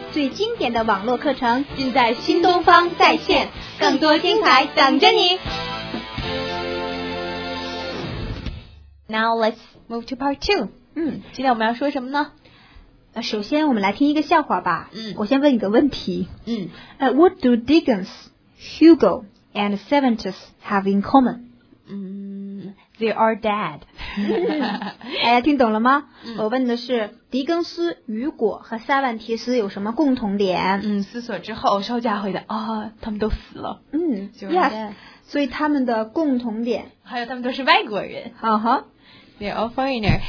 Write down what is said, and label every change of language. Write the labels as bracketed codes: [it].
[zh] 最经典的网络课程，尽在新东方在线，更多精彩等着你。 [en] Now let's move to part two. [zh] 今天我们要说什么呢？首先我们来听一个笑话吧。我先问你个问题。 [en] What do Dickens, Hugo and Cervantes have in common? They are dead. [zh] 大家听懂了吗？我问的是狄更斯、雨果和塞万提斯有什么共同点？思索之后，稍加回答，他们都死了。 Yes. 所以他们的共同点，还有他们都是外国人。 [en] They're all foreigner.